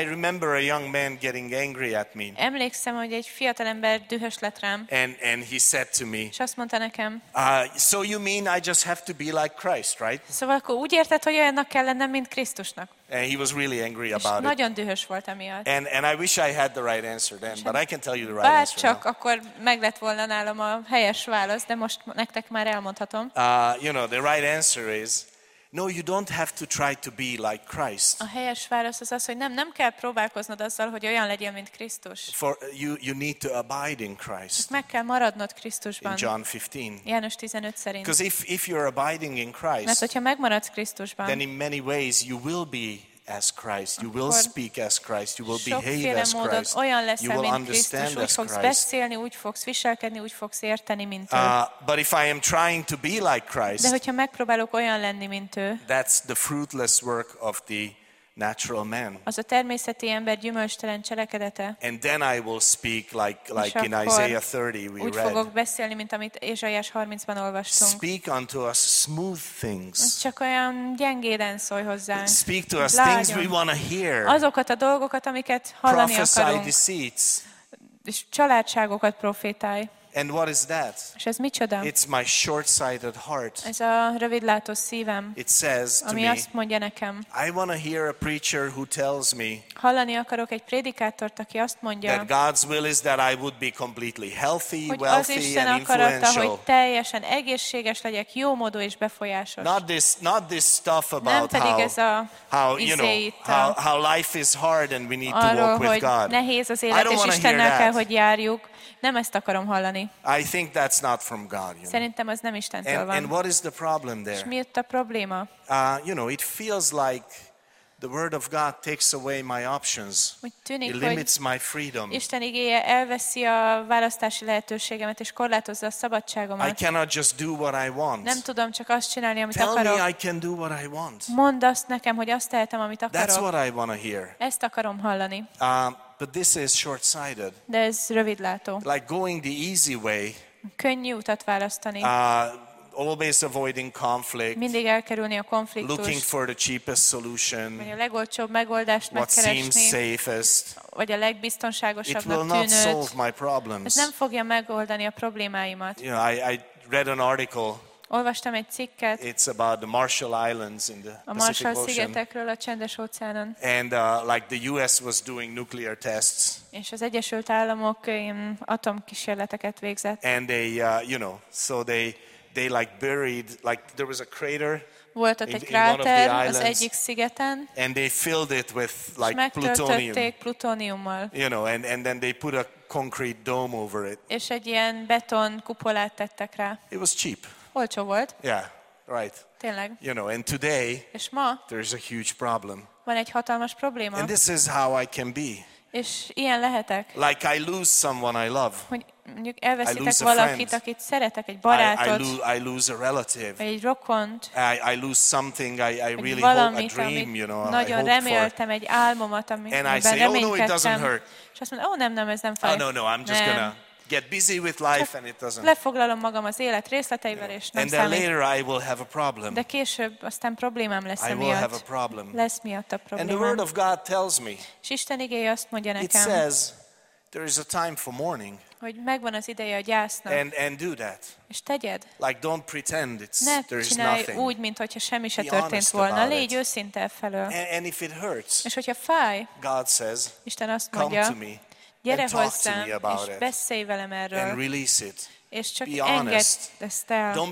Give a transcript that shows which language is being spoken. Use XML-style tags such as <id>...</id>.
<en>I remember a young man getting angry at me.</en> <hu>Emlékszem, hogy egy fiatal ember dühös lett rám.</hu> <en>And he said to me.</en> <hu>És azt mondta nekem.</hu> <en>So you mean I just have to be like Christ, right?</en> <hu>Szóval akkor úgy érted, hogy olyannak kell lennem, mint Krisztusnak.</hu> <en>And he was really angry about it.</en> <hu>Nagyon dühös volt emiatt.</hu> <en>And I wish I had the right answer then, but I can tell you the right answer.</en> <hu>Bárcsak akkor meg lett volna nálam a helyes válasz, de most nektek már elmondhatom.</hu> <en>You know, the right answer is no, you don't have to try to be like Christ.</en> <hu>A helyes válasz az, hogy nem kell próbálkoznod azzal, hogy olyan legyél, mint Krisztus.</hu> <en>For you need to abide in Christ.</en> <hu>Meg kell maradnod Krisztusban.</hu> <en>In John 15.</en> <hu>János 15 szerint.</hu> <en>Because if you're abiding in Christ.</en> <hu>Mert hogyha megmaradsz Krisztusban.</hu> <en>Then in many ways you will be as Christ. You will speak as Christ. You will behave as Christ.</en> <hu>Olyan leszel,</hu> <en>you will understand</en> <hu>Krisztus, úgy</hu> <en>as Christ.</en> <hu>Fogsz beszélni, úgy fogsz viselkedni, úgy fogsz érteni, mint ő.</hu> <en>But if I am trying to be like Christ,</en> <hu>de hogyha megpróbálok olyan lenni, mint ő,</hu> <en>that's the fruitless work of the natural man.</en> <hu>Az a természeti ember gyümölcstelen cselekedete.</hu> <en>And then I will speak like in Isaiah 30 we</en> <hu>úgy</hu> <en>read.</en> <hu>Úgy fogok beszélni, mint amit Ézsaiás 30-ban olvastunk.</hu> <en>Speak unto us smooth things.</en> <hu>Csak olyan gyengéden szólj hozzánk.</hu> <en>Speak to us lágyon. Things we want to hear.</en> <hu>Azokat a dolgokat, amiket hallani</hu> <en>prophesy</en> <hu>akarunk.</hu> <en>Deceits.</en> <hu>És csalátságokat profétálj.</hu> <en>And what is that?</en> <hu>És ez micsoda?</hu> <en>It's my short-sighted heart.</en> <hu>Ez a rövidlátó szívem.</hu> <en>It says to</en> <hu>ami</hu> <en>me,</en> <hu>azt mondja nekem.</hu> <en>I want to hear a preacher who tells me.</en> <hu>Hallani akarok egy prédikátort, aki azt mondja.</hu> <en>That God's will is that I would be completely healthy,</en> <hu>hogy</hu> <en>wealthy</en> <hu>az Isten</hu> <en>and</en> <hu>akarata,</hu> <en>influential.</en> <hu>Hogy teljesen egészséges legyek, jó módú és befolyásos.</hu> <en>Not this stuff about</en> <hu>nem pedig ez a</hu> <en>how you know how life is hard and we need to</en> <hu>arról,</hu> <en>walk with God.</en> <hu>Nehéz az élet, és Istennel kell, hogy járjuk. Nem ezt akarom hallani.</hu> <en>I think that's not from God, you</en> <hu>szerintem</hu> <en>know.</en> <hu>Az nem Istentől</hu> <en>and,</en> <hu>van.</hu> <en>And what is the problem there?</en> <hu>És mi itt a probléma?</hu> <en>You know, it feels like the word of God takes away my options.</en> <hu>Tűnik,</hu> <en>it limits my freedom.</en> <hu>Isten igéje elveszi a választási lehetőségemet és korlátozza a szabadságomat.</hu> <en>I cannot just do what I want.</en> <hu>Nem tudom csak azt csinálni, amit</hu> <en>tell</en> <hu>akarok.</hu> <en>Tell me I can do what I want.</en> <hu>Mondd azt nekem, hogy azt tehetem, amit akarok.</hu> <en>That's what I want to hear.</en> <hu>Ezt akarom hallani.</hu> <en>But this is short-sighted.</en> <hu>De ez rövidlátó.</hu> <en>Like going the easy way.</en> <hu>Könnyű utat választani.</hu> <en>Always avoiding conflict.</en> <hu>Mindig elkerülni a konfliktust.</hu> <en>Looking for the cheapest solution.</en> <hu>Vagy a legolcsóbb megoldást megkeresni.</hu> <en>What seems safest.</en> <hu>Vagy a legbiztonságosabbnak</hu> <en>tűnőt. It will not solve my problems.</en> <hu>Ez nem fogja megoldani a problémáimat.</hu> <en>You know, I read an article.</en> <hu>Olvastam egy cikket.</hu> <en>It's about the Marshall Islands in the</en> <hu>a Marshall szigetekről a Csendes óceánon.</hu> <en>And like the US was doing nuclear tests.</en> <hu>És az Egyesült Államok atomkísérleteket végzett.</hu> <en>And they you know, so they like buried like there was a crater.</en> <hu>Volt ott egy kráter az egyik szigeten.</hu> <en>And they filled it with like</en> <hu>plutóniummal.</hu> <en>You know, and then they put a concrete dome over it.</en> <hu>És egy ilyen beton kupolát tettek rá.</hu> <en>It was cheap.</en> <hu>Olcsó volt.</hu> <en>Yeah, right.</en> <hu>Tényleg.</hu> <en>You know, and today,</en> <hu>és ma,</hu> <en>there's a huge problem.</en> <hu>Van egy hatalmas probléma.</hu> <en>And this is how I can be.</en> <hu>És ilyen lehetek.</hu> <en>Like I lose someone I love.</en> <hu>Hogy mondjuk elveszítek valakit, akit szeretek, egy barátot.</hu> <en>I lose a relative.</en> <hu>Egy rokont.</hu> <en>I lose something I really hope, a dream, you know.</en> <hu>Nagyon reméltem egy álmomat, amit reménykedtem.</hu> <en>And I say, oh no, it doesn't hurt.</en> <hu>És azt mondom, oh nem, ez nem fáj.</hu> <en>Oh no, I'm just gonna get busy with life and it doesn't.</en> <hu>Lefoglalom magam az élet részleteivel, yeah. És nem számít.</hu> <en>And then later I will have a problem.</en> <hu>De később aztán problémám lesz</hu> <en>emiatt. I will have a problem.</en> <hu>Lesz miatt a problémám.</hu> <en>And the word of God tells me.</en> <hu>És Isten igéje azt mondja nekem.</hu> <en>It says there is a time for mourning.</en> <hu>Hogy megvan az ideje a gyásznak.</hu> <en>And do that.</en> <hu>És tegyed.</hu> <en>Like don't pretend it's</en> <hu>ne</hu> <en>there is</en> <hu>csinálj</hu> <en>nothing.</en> <hu>Úgy, mint hogyha semmi se történt volna. Légy őszinte felől.</hu> <en>And if it hurts.</en> <hu>És hogyha fáj.</hu> <en>God says.</en> <hu>Isten azt</hu> <en>come</en> <hu>mondja.</hu> <en>Come to me.</en> <hu>Gyere hozzám, és beszélj velem erről. És csak engedd ezt el.</hu>